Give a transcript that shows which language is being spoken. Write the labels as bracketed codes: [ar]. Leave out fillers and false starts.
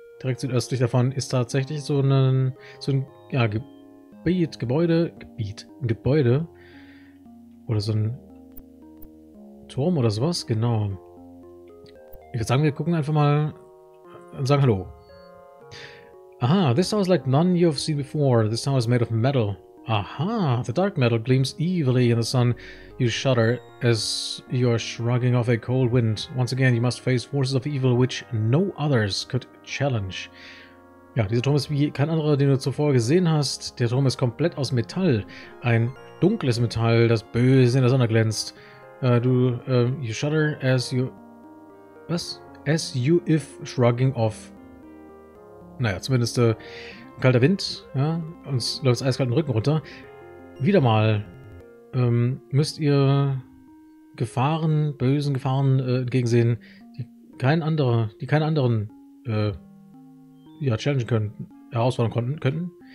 [de] Direkt südöstlich davon ist tatsächlich so ein... So ein ja, Gebiet, Gebäude, Gebiet, Gebäude oder so ein Turm oder sowas, genau. Ich würde sagen, wir gucken einfach mal und sagen hallo. [en] Aha, this tower is like none you have seen before. This tower is made of metal. Aha, the dark metal gleams evilly in the sun. You shudder as you are shrugging off a cold wind. Once again, you must face forces of evil which no others could challenge. [de] Ja, dieser Turm ist wie kein anderer, den du zuvor gesehen hast. Der Turm ist komplett aus Metall. Ein dunkles Metall, das böse in der Sonne glänzt. [en] You shudder as you... [de] Was? [en] As you if shrugging off [de] naja, zumindest ein kalter Wind, ja, uns läuft es eiskalt den Rücken runter. Wieder mal müsst ihr Gefahren, bösen Gefahren entgegensehen, die keinen anderen ja, challengen können, herausfordern könnten.